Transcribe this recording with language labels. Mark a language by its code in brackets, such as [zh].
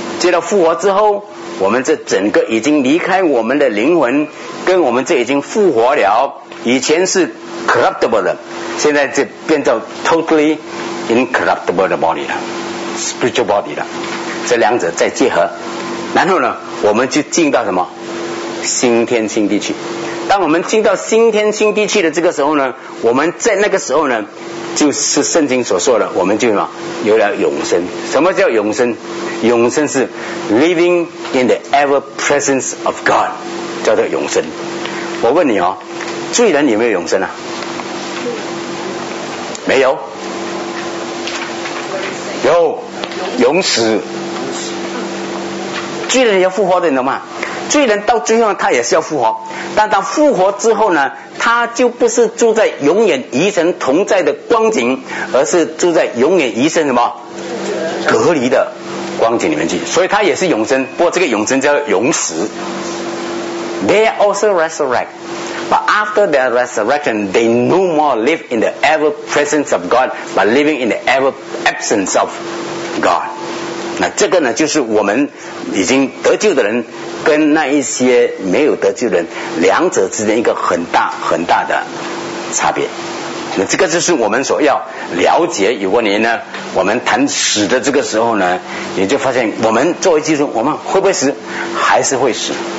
[zh] 接着复活之后，我们这整个已经离开我们的灵魂，跟我们这已经复活了，以前是 corruptible 的，现在就变成 totally incorruptible 的 body 了， spiritual body 了。这两者再结合，然后呢我们就进到什么新天新地去。当我们进到新天新地去的这个时候呢，我们在那个时候呢就是圣经所说的，我们就什么有了永生。什么叫永生？永生是 living in the ever presence of God，叫做永生。我问你哦，罪人有没有永生啊？没有。有永死。罪人要复活的，你懂吗？罪人到最后他也是要复活，但他复活之后呢，他就不是住在永远与神同在的光景，而是住在永远与神什么隔离的光景里面去。所以他也是永生，不过这个永生叫永死。 [en] They also resurrect， but after their resurrection they no more live in the ever presence of God but living in the ever absence of God。 [zh] 那这个呢就是我们已经得救的人跟那一些没有得救人两者之间一个很大很大的差别。那这个就是我们所要了解。如果你呢我们谈死的这个时候呢，你就发现我们作为基督徒我们会不会死？还是会死。